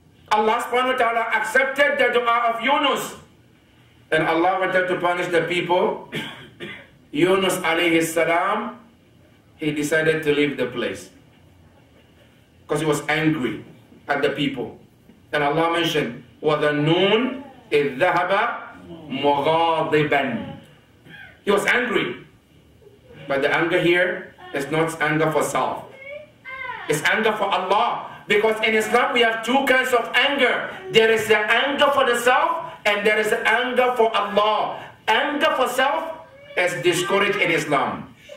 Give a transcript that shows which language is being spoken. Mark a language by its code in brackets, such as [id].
[en] Allah subhanahu wa ta'ala accepted the dua of Yunus. And Allah wanted to punish the people. Yunus alayhi salam, he decided to leave the place. Because he was angry at the people. And Allah mentioned, [ar] وَذَنُّون إِذْ ذَهَبَ مُغَاضِبًا. [en] He was angry. But the anger here is not anger for self. It's anger for Allah. Because in Islam we have two kinds of anger. There is the anger for the self and there is the anger for Allah. Anger for self is discouraged in Islam.